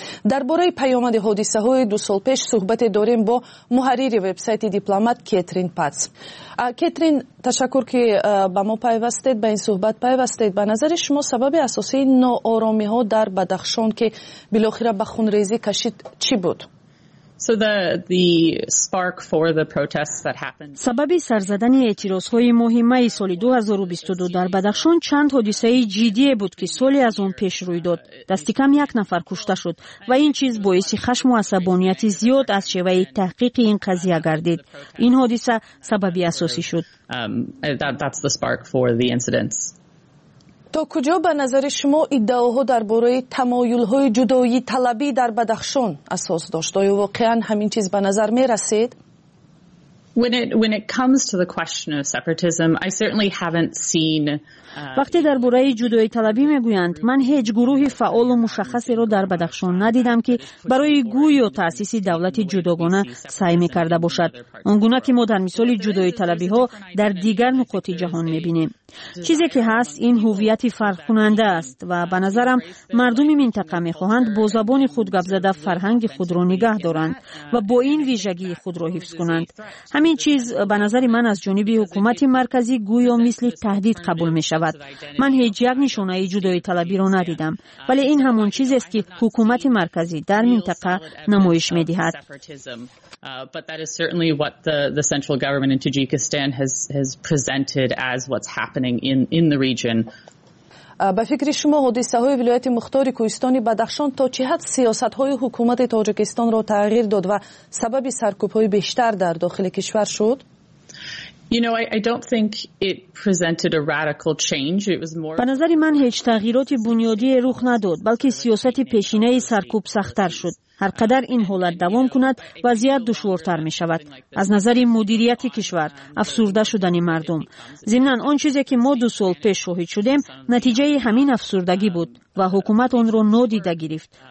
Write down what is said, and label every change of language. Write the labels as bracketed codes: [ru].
[fa] درباره پیامد حادثه های دو سال پیش صحبت داریم با محرر وبسایت دیپلمات کترین پاتس. کترین تشکر که با ما پیوستید، با این صحبت پیوستید. به نظر شما سبب اساسی ناآرامی ها در بدخشان که بالاخره به خونریزی کشید چی بود؟ [en] So the spark for the protests that happened. [fa] سبب سرزدن اعتراض‌های مهمه سال 2022 در بدخشان چند حادثه جدی بود که سالی از آن پیش روی داد. دست کم یک نفر کشته شد و این چیز باعث خشم و عصبانیت زیاد از شیوه تحقیق این قضیه گردید. این حادثه سبب اساسی شد. [en] That's the spark for the incidents. [fa] تا کجا به نظر شما ادعاها درباره تمایل‌های جدایی طلبی در بدخشان اساس داشت؟ آیا واقعا همین چیز به نظر می‌رسید؟ [en] When it comes to the question of separatism, I certainly haven't seen. [fa] وقتی درباره جدایی طلبی میگویند، من هیچ گروه فعال و مشخصی را در بدخشان ندیدم که برای گویی تأسیس دولت جداگانه سعی میکرده باشد. آنگونه که ما در مثال جدایی طلبی ها در دیگر نقاط جهان میبینیم. چیزی که هست این هویت فرق کننده است و به نظرم مردم منطقه میخواهند با زبان خود گپ زده فرهنگ خود را نگه دارند و با این ویژگی خود را حفظ کنند. همین چیز به نظر من از جانب حکومت مرکزی گویی مثل تهدید قبول می شود. من هیچ یک نشانه جدایی طلبی را ندیدم، ولی این همون چیز است که حکومت مرکزی در منطقه نمایش می دهد. [en] But that is certainly what the central government in Tajikistan has presented as what's happening in the region. [fa] به فکر شما حادثه های ولایت مختار کوهستان بدخشان تا چه حد سیاست های حکومت تاجیکستان را تغییر داد و سبب سرکوب های بیشتر در داخل کشور شد؟ [en] I don't think it presented a radical change. It was more. [fa] به نظر من هیچ تغییراتی بنیادی رخ نداد، بلکه سیاست پیشینه سرکوب سخت‌تر شد. هر قدر این حالت دوام کند وضعیت دشوارتر می شود. از نظر مدیریت کشور، افسرده شدن مردم. ضمن آن چیزی که ما 2 سال پیش شاهد شدیم، نتیجه همین افسردگی بود و حکومت آن را نادیده گرفت.